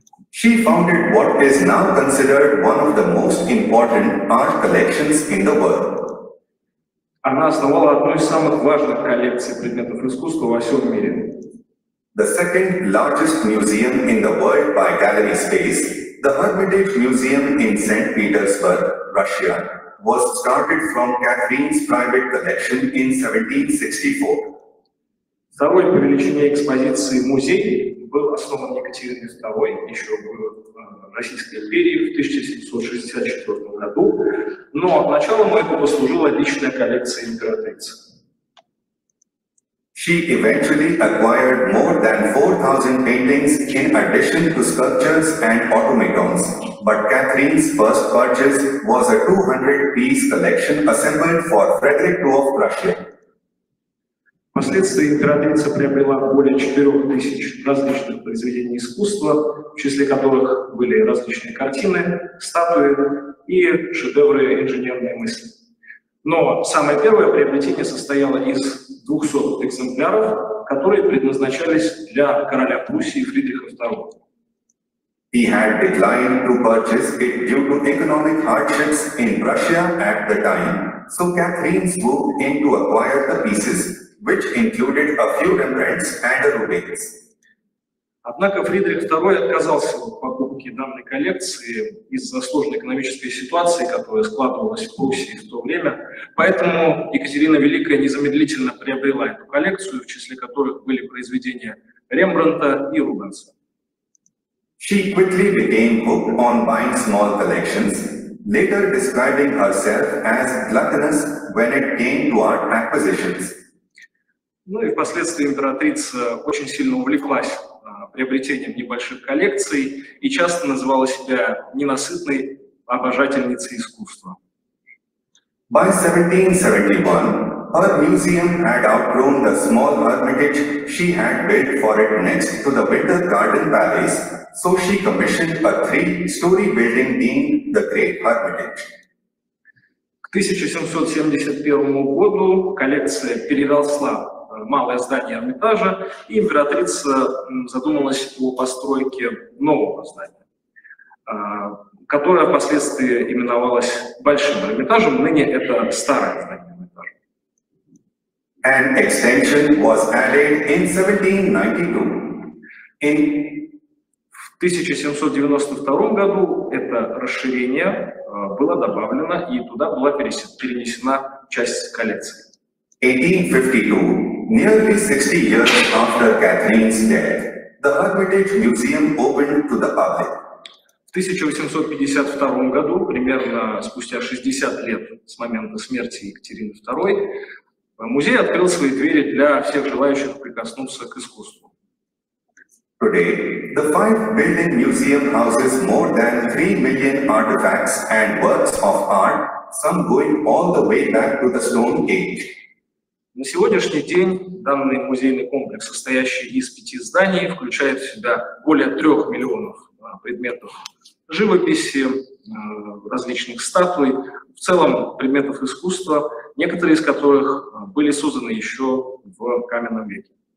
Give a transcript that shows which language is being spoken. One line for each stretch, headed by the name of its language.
English: She founded what is now considered one of the most important art collections in the world.
Russian: Она основала одну из самых важных коллекций предметов искусства во всем мире.
English: The second largest museum in the world by gallery space, the Hermitage Museum in St. Petersburg, Russia, was started from Catherine's private collection in 1764.
Russian: Второй по величине экспозиции музей был основан Екатериной II еще в Российской империи в 1764 году, но началом этого послужила личная коллекция императрицы.
English: She eventually acquired more than 4,000 paintings in addition to sculptures and automatons. But Catherine's first purchase was a 200-piece collection assembled for Frederick II of Prussia.
Russian: Впоследствии императрица приобрела более 4000 различных произведений искусства, в числе которых были различные картины, статуи и шедевры инженерной мысли. Но самое первое приобретение состояло из 200 экземпляров, которые предназначались для короля Пруссии Фридриха II.
English: He had declined to purchase it due to economic hardships in Russia at the time, so Catherine swooped in to acquire the pieces, which included a few Rembrandts and a Rubens.
Russian: Однако Фридрих II отказался от покупки данной коллекции из-за сложной экономической ситуации, которая складывалась в Пруссии в то время. Поэтому Екатерина Великая незамедлительно приобрела эту коллекцию, в числе которых были произведения Рембрандта и Рубенса.
English: She quickly became hooked on buying small collections, later describing herself as gluttonous when it came to art acquisitions.
Russian: Ну и впоследствии императрица очень сильно увлеклась приобретением небольших коллекций и часто называла себя ненасытной обожательницей искусства.
English: By 1771, her museum had outgrown the small hermitage she had built for it next to the Winter Garden Palace, so she commissioned a three-story building deemed the Great Hermitage.
Russian: К 1771 году коллекция переросла малое здание Эрмитажа, и императрица задумалась о постройке нового здания, которое впоследствии именовалось Большим Эрмитажем, ныне это старое здание Эрмитажа.
English: An extension was added in 1792.
Russian: В 1792 году это расширение было добавлено, и туда была перенесена часть коллекции.
English: 1852. Nearly 60 years after Catherine's death, the Hermitage Museum opened to the public.
Russian: В 1852 году, примерно спустя 60 лет с момента смерти Екатерины II, музей открыл свои двери для всех желающих прикоснуться к искусству.
English: Today, the five-building museum houses more than 3 million artifacts and works of art, some going all the way back to the Stone Age.
Russian: На сегодняшний день данный музейный комплекс, состоящий из 5 зданий, включает в себя более 3 миллионов предметов живописи, различных статуй, в целом предметов искусства, некоторые из которых были созданы еще в каменном веке.